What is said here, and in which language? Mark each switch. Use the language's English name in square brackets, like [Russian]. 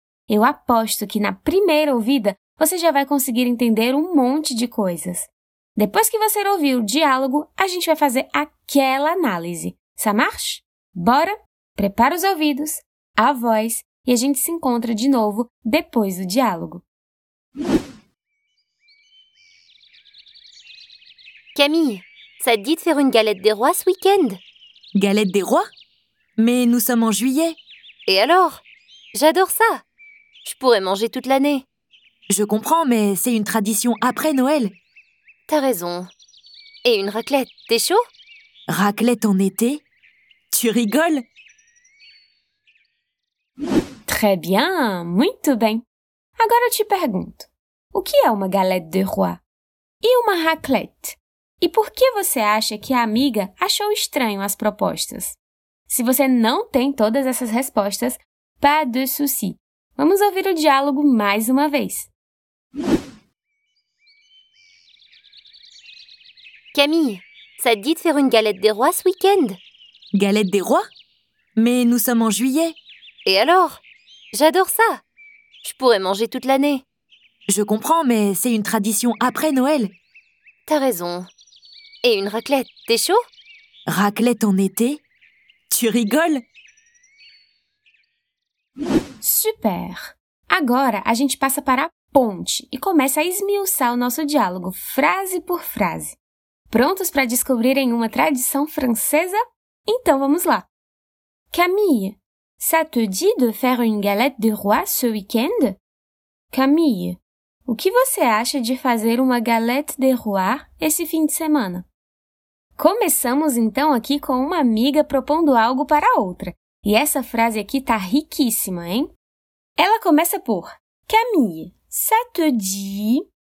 [Portuguese] Eu aposto que na primeira ouvida você já vai conseguir entender um monte de coisas. Depois que você ouvir o diálogo, a gente vai fazer aquela análise. [French] Ça marche? [Portuguese] Bora? Prepara os ouvidos, a voz, e a gente se encontra de novo depois do diálogo. [French] Camille, ça te dit de faire une galette des rois ce week-end? Galette des rois? Mais nous sommes en juillet. Et alors? J'adore ça. Je pourrais manger toute l'année. Je comprends, mais c'est une tradition après Noël. T'as raison. Et une raclette, t'es chaud? Raclette en été? Tu rigoles? Très bien, [Portuguese] muito bem. Agora eu te pergunto, o que é uma galette de roi? E uma raclette? E por que você acha que a amiga achou estranho as propostas? Se você não tem todas essas respostas, [French] pas de souci. [Portuguese] Vamos ouvir o diálogo mais uma vez. [French] Camille, ça te dit de faire une galette des rois ce week-end? Galette des rois? Mais nous sommes en juillet. Et alors? J'adore ça. Je pourrais manger toute l'année. Je comprends, mais c'est une tradition après Noël. T'as raison. Et une raclette, t'es chaud? Raclette en été? Tu rigoles? [Portuguese] Super! Agora, a gente passa para a ponte e começa a esmiuçar o nosso diálogo, frase por frase. Prontos para descobrirem uma tradição francesa? Então vamos lá. [French] Camille, ça te dit de faire une galette des rois ce week-end? [Portuguese] Camille, o que você acha de fazer uma galette des rois esse fim de semana? Começamos então aqui com uma amiga propondo algo para outra. E essa frase aqui está riquíssima, hein? Ela começa por Camille, [French] ça te dit...